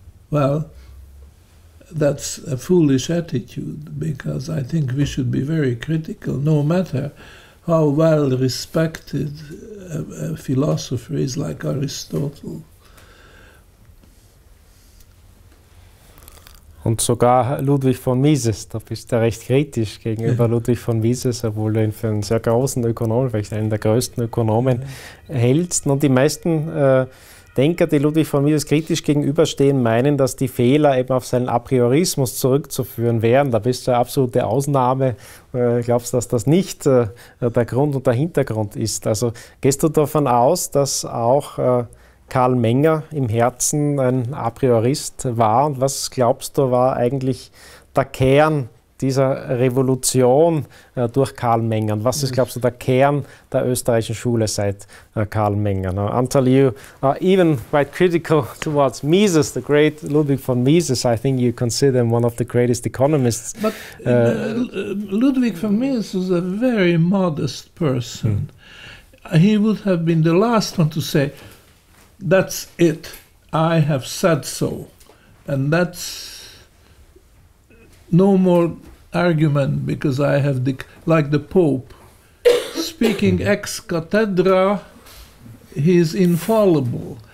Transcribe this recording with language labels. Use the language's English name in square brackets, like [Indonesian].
[English] Well, that's a foolish attitude, because I think we should be very critical, no matter how well respected a philosopher is like Aristotle. [German] Und sogar Ludwig von Mises, da bist du recht kritisch gegenüber Ludwig von Mises, obwohl du ihn für einen sehr großen Ökonomen, vielleicht einen der größten Ökonomen, hältst. Und die meisten Denker, die Ludwig von Mises kritisch gegenüberstehen, meinen, dass die Fehler eben auf seinen Apriorismus zurückzuführen wären. Da bist du eine absolute Ausnahme. Glaubst du, dass das nicht der Grund und der Hintergrund ist? Also gehst du davon aus, dass auch Carl Menger im Herzen ein Apriorist war? Und was glaubst du, war eigentlich der Kern dieser Revolution durch Carl Menger? Und was ist, glaubst du, der Kern der österreichischen Schule seit Carl Menger? [English] Antal, you are even quite critical towards Mises, the great Ludwig von Mises. I think you consider him one of the greatest economists. But Ludwig von Mises was a very modest person. Hmm. He would have been the last one to say, that's it, I have said so, and that's no more argument, because I have, like the Pope, speaking ex cathedra, he is infallible.